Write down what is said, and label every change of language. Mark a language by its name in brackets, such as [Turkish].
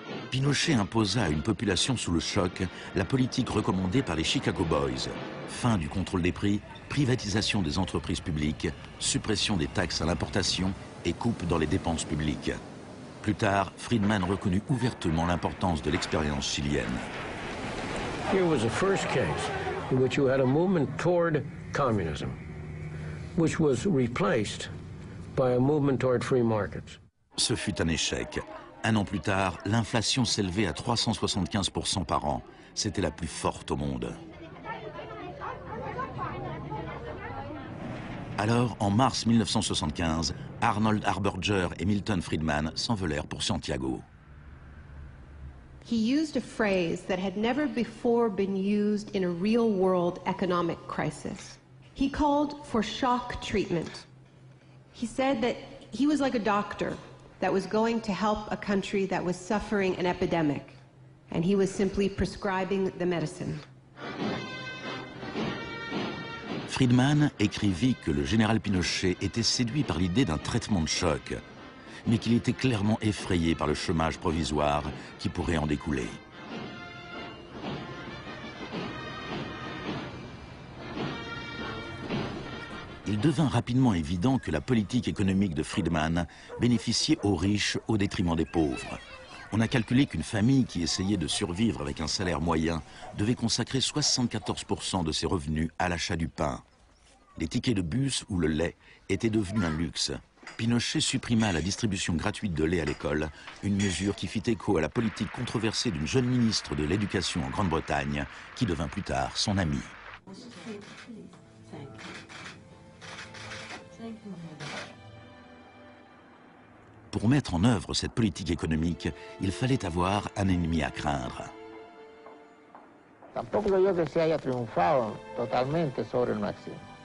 [French] Pinochet imposa à une population sous le choc la politique recommandée par les Chicago Boys. Fin du contrôle des prix, privatisation des entreprises publiques, suppression des taxes à l'importation et coupes dans les dépenses publiques. Plus tard, Friedman reconnut ouvertement l'importance de l'expérience chilienne. [English] Here was the first case in which you had a movement toward communism, which was replaced by a movement toward free markets. [French] Ce fut un échec. Un an plus tard, l'inflation s'élevait à 375% par an. C'était la plus forte au monde. Alors, en mars 1975, Arnold Harberger et Milton Friedman s'envolèrent pour Santiago. [English] He used a phrase that had never before been used in a real-world economic crisis. He called for shock treatment. He said that he was like a doctor that was going to help a country that was suffering an epidemic, and he was simply prescribing the medicine. [French] Friedman écrivit que le général Pinochet était séduit par l'idée d'un traitement de choc, mais qu'il était clairement effrayé par le chômage provisoire qui pourrait en découler. Il devint rapidement évident que la politique économique de Friedman bénéficiait aux riches au détriment des pauvres. On a calculé qu'une famille qui essayait de survivre avec un salaire moyen devait consacrer 74% de ses revenus à l'achat du pain. Les tickets de bus ou le lait étaient devenus un luxe. Pinochet supprima la distribution gratuite de lait à l'école, une mesure qui fit écho à la politique controversée d'une jeune ministre de l'Éducation en Grande-Bretagne, qui devint plus tard son amie. Pour mettre en œuvre cette politique économique, il fallait avoir un ennemi à craindre. [Spanish] Tampoco creo yo que se haya triunfado totalmente sobre el marxismo.